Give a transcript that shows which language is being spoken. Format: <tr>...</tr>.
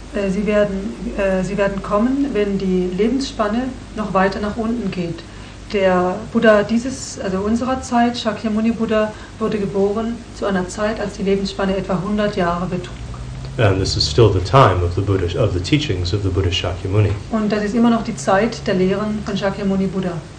<de>Sie werden kommen, wenn die Lebensspanne noch weiter nach unten geht. Der Buddha unserer Zeit, Shakyamuni Buddha, wurde geboren zu einer Zeit, als die Lebensspanne etwa 100 Jahre betrug.</de> <en>And this is still the time of the Buddha, of the teachings of the Buddha Shakyamuni.</en> <de>Und das ist immer noch die Zeit der Lehren von Shakyamuni Buddha.</de>